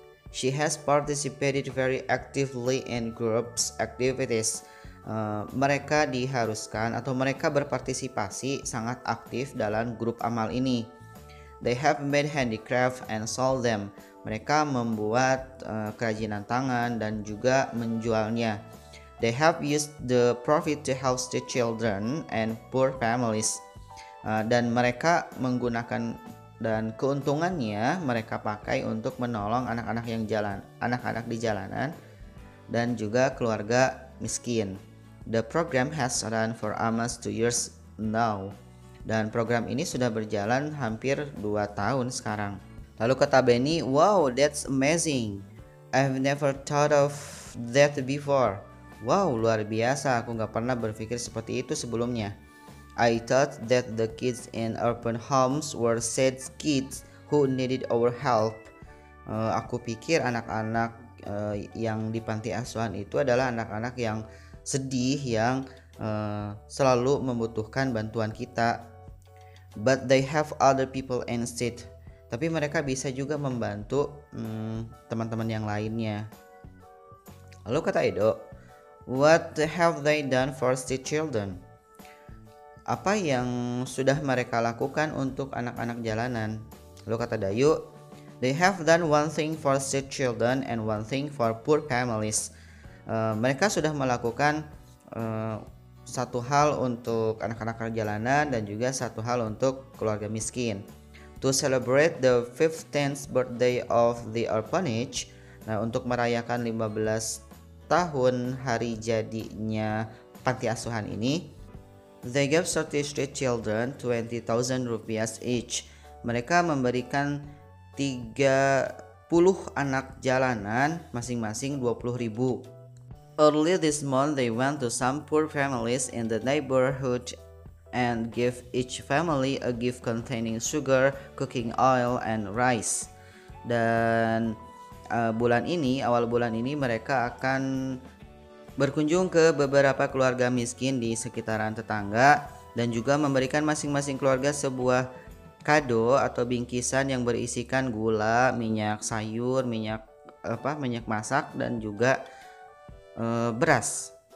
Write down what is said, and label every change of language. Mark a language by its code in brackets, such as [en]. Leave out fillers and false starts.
[en] She has participated very actively in groups activities. [id] Mereka diharuskan atau mereka berpartisipasi sangat aktif dalam grup amal ini. [en] They have made handicraft and sold them. [id] Mereka membuat kerajinan tangan dan juga menjualnya. [en] They have used the profit to house the children and poor families. [id] Dan mereka menggunakan dan keuntungannya mereka pakai untuk menolong anak-anak yang jalan, anak-anak di jalanan dan juga keluarga miskin. [en] The program has run for almost 2 years now. [id] Dan program ini sudah berjalan hampir 2 tahun sekarang. Lalu kata Benny, [en] wow, that's amazing. I've never thought of that before. [id] Wow, luar biasa. Aku gak pernah berpikir seperti itu sebelumnya. [en] I thought that the kids in urban homes were sad kids who needed our help. [id] Aku pikir anak-anak yang di panti asuhan itu adalah anak-anak yang sedih, yang selalu membutuhkan bantuan kita. [en] But they have other people instead. [id] Tapi mereka bisa juga membantu teman-teman yang lainnya. Lalu kata Edo, [en] what have they done for the children? [id] Apa yang sudah mereka lakukan untuk anak-anak jalanan? Lalu kata Dayu, [en] they have done one thing for the children and one thing for poor families. [id] Mereka sudah melakukan satu hal untuk anak-anak jalanan dan juga satu hal untuk keluarga miskin. [en] To celebrate the 15th birthday of the orphanage, [id] nah, untuk merayakan 15 tahun hari jadinya panti asuhan ini, [en] they gave 33 children 20,000 rupiah each. [id] Mereka memberikan 30 anak jalanan masing-masing 20,000. [en] Early this month, they went to some poor families in the neighborhood and give each family a gift containing sugar, cooking oil, and rice. [id] Dan bulan ini, awal bulan ini mereka akan berkunjung ke beberapa keluarga miskin di sekitaran tetangga dan juga memberikan masing-masing keluarga sebuah kado atau bingkisan yang berisikan gula, minyak sayur, minyak masak, dan juga beras.